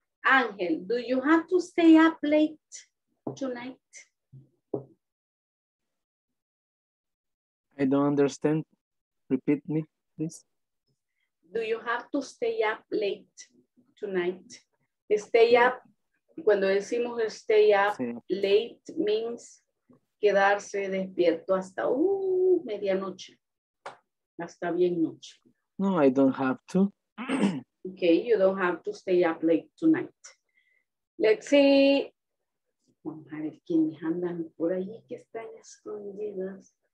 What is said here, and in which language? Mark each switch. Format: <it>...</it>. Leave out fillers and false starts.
<en>Angel, do you have to stay up late tonight? I don't understand. Repeat me, please. Do you have to stay up late tonight?</en> <es>Stay up, cuando decimos</es> <en>stay up late means</en> <es>quedarse despierto hasta medianoche, hasta bien noche.</es> <en>No, I don't have to. Okay, you don't have to stay up late tonight. Let's see.</en> <es>Vamos a ver quiénes andan por ahí que están escondidas.</es>